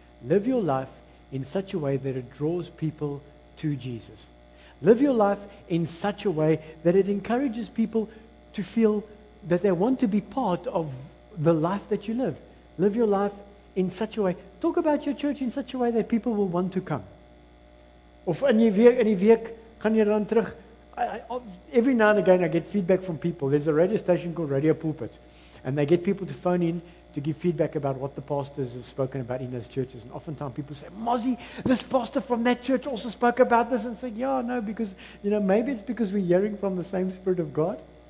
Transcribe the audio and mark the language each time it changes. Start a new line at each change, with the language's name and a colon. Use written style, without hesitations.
English: Live your life in such a way that it draws people to Jesus. Live your life in such a way that it encourages people to feel that they want to be part of the life that you live. Live your life in such a way. Talk about your church in such a way that people will want to come.
Afrikaans: Of in die week, gaan jy dan terug.
English: Every now and again, I get feedback from people. There's a radio station called Radio Pulpit. And they get people to phone in to give feedback about what the pastors have spoken about in those churches. And oftentimes people say, Mozzie, this pastor from that church also spoke about this. And say, yeah, no, because, you know, maybe it's because we're hearing from the same Spirit of God.